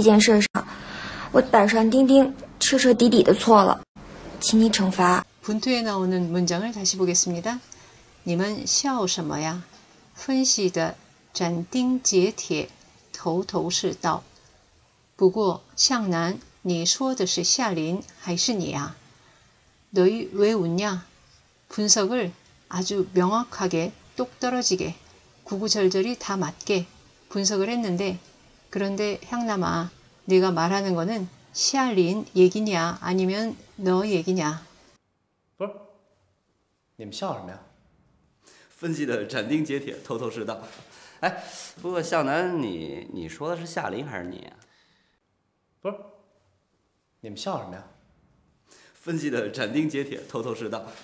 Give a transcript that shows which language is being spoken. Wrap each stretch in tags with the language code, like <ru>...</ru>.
<zh>彻彻底底的错了，请你惩罚。</zh> <ko>분투에 나오는 문장을 다시 보겠습니다.</ko> <zh>你们笑什么呀？分析的斩钉截铁，头头是道。不过向南，你说的是夏琳还是你呀？</zh> <ko>너희 왜 웃냐? 분석을 아주 명확하게 똑 떨어지게 구구절절이 다 맞게 분석을 했는데 그런데 향남아, 네가 말하는 거는 샤린 얘기냐 아니면 너 얘기냐?</ko> <zh>不是，你们笑什么呀？分析的斩钉截铁，头头是道。哎，不过向南，你说的是夏林还是你？不是，你们笑什么呀？分析的斩钉截铁，头头是道。</zh>